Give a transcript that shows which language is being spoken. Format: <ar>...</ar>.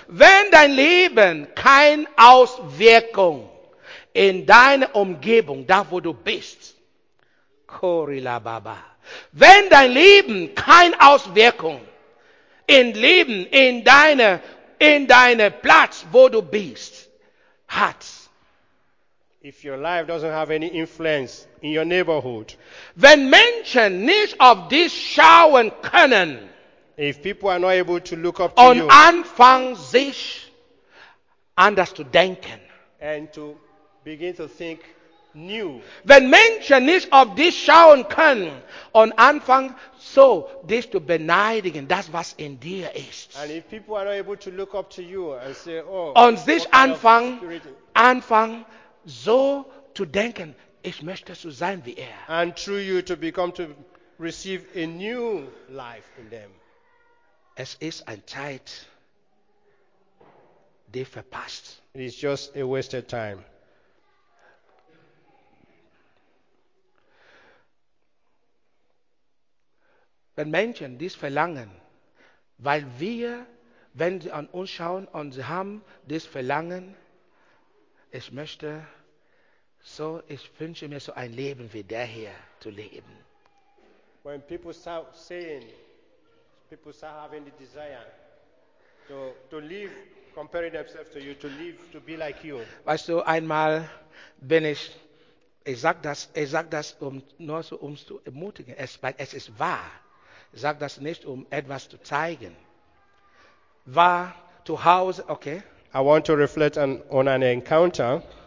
<de>Wenn dein Leben keine Auswirkung in deine Umgebung, da wo du bist, Korila Baba. Wenn dein Leben keine Auswirkung in Leben, in deine Platz, wo du bist, hat.</de> <en>If your life doesn't have any influence in your neighborhood.</en> <de>Wenn Menschen nicht auf dich schauen können.</de> <en>If people are not able to look up to</en> <de>und</de> <en>you.</en> <de>Und anfangen sich anders zu denken.</de> <en>And to begin to think new.</en> <de>Wenn Menschen nicht auf dich schauen können. Und anfangen so dich zu beneidigen, das was in dir ist.</de> <en>And if people are not able to look up to you and say,</en> <de>und sich anfangen so zu denken, ich möchte so sein wie er.</de> <en>And through you to become to receive a new life in them.</en> <de>Es ist ein Zeit, die verpasst.</de> <en>It is just a wasted time.</en> <de>Wenn Menschen dies verlangen, weil wir wenn sie an uns schauen und sie haben das Verlangen, ich möchte so, ich wünsche mir so ein Leben wie der hier zu leben.</de> <en>When people start saying, people start having the desire to live, comparing themselves to you, to live, to be like you.</en> <de>Weißt du, einmal bin ich, ich sag das nur so, um es zu ermutigen, es ist wahr. Ich sag das nicht, um etwas zu zeigen. War zu Hause, okay.</de> <en>I want to reflect on an encounter.</en>